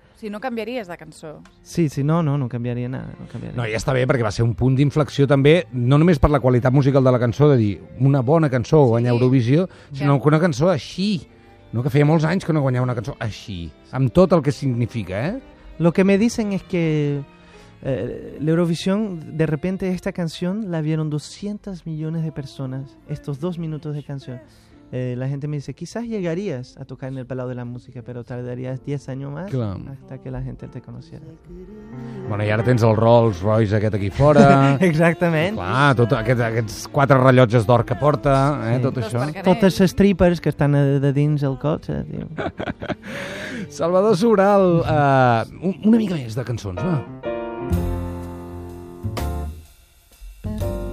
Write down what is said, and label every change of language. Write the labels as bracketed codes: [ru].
[ca] Si no, canviaries de cançó. Sí, no canviaria [es] nada. [ca] No, ja està bé, perquè va ser un punt d'inflexió també, no només per la qualitat musical de la cançó, de dir una bona cançó guanya Eurovisió, sinó que una cançó així, no? Que feia molts anys que no guanyava una cançó així, amb tot el que significa, [es] Lo que me dicen es que l'Eurovisión, de repente esta canción la vieron 200 millones de personas, estos dos minutos de canción. La gente me dice, quizás llegarías a tocar en el Palau de la Música, pero tardarías 10 años más hasta que la gente te conociera. [ca] Bueno, i ara tens el Rolls Royce aquest aquí fora. Exactament. Clar, tot aquests quatre rellotges d'or que porta, tot això. Totes les strippers que estan de dins el cotxe. Salvador Sobral, una mica més de cançons, va.